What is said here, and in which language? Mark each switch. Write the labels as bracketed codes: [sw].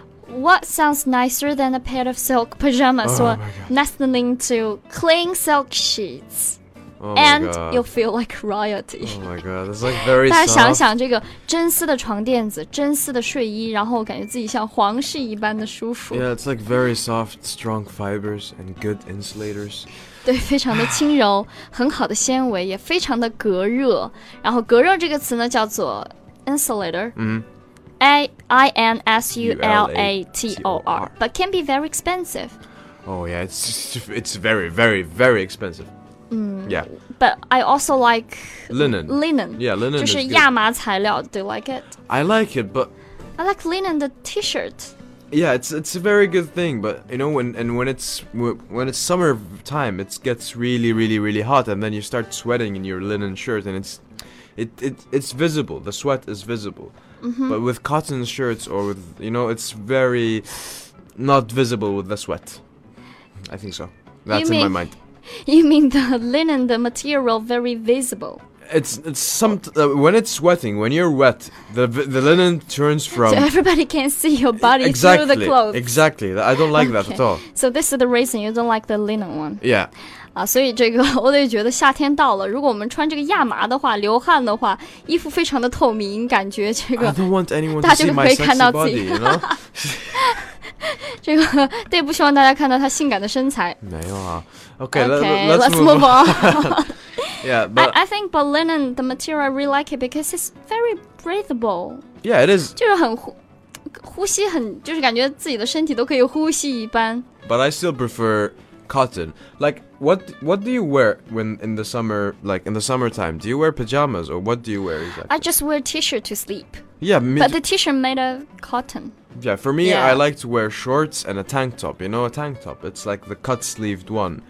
[en] What sounds nicer than a pair of silk pajamas or nestling to clean silk sheets? And you feel like royalty. Oh my god, that's like very soft. [zh] 大家想想这个真丝的床垫子，真丝的睡衣，然后感觉自己像皇室一般的舒服。 [en] Yeah, it's like very soft, strong fibers and good insulators. [zh] 对，非常的轻柔，很好的纤维，也非常的隔热。然后隔热这个词呢，叫做 insulator. [en] I-N-S-U-L-A-T-O-R. But can be very expensive. Oh yeah, it's very, very, very expensive. Yeah. But I also like linen. Linen. Yeah, linen. [zh] 就是亚麻材料 [en] Do you like it? I like it, but I like linen the t-shirt. Yeah, it's a very good thing. But you know, when it's summer time, it gets really, really, really hot, and then you start sweating in your linen shirt, and it's visible. The sweat is visible. Mm-hmm. But with cotton shirts or with, you know, it's very not visible with the sweat. I think so. That's you in mean- my mind. You mean the linen, the material, very visible? When it's sweating, when you're wet, the linen turns from... So everybody can see your body exactly, through the clothes. Exactly, I don't like that at all. So this is the reason you don't like the linen one. Yeah. [zh] 所以这个我得觉得夏天到了，如果我们穿这个亚麻的话，流汗的话，衣服非常的透明，感觉这个 [en] I don't want anyone to see my sexy body, you know? [zh] 这个对不希望大家看到他性感的身材没有啊 [en] Okay, let's move on. Yeah, but I think but linen, the material, I really like it because it's very breathable. Yeah, it is. [zh] 就是很呼吸很就是感觉自己的身体都可以呼吸一般 [en] But I still prefer cotton. Like, what do you wear when in the summer, like in the summertime? Do you wear pajamas or what do you wear exactly? I just wear t-shirt to sleep. Yeah, but the t-shirt made of cotton. Yeah, for me, yeah. I like to wear shorts and a tank top. You know, a tank top. It's like the cut-sleeved one.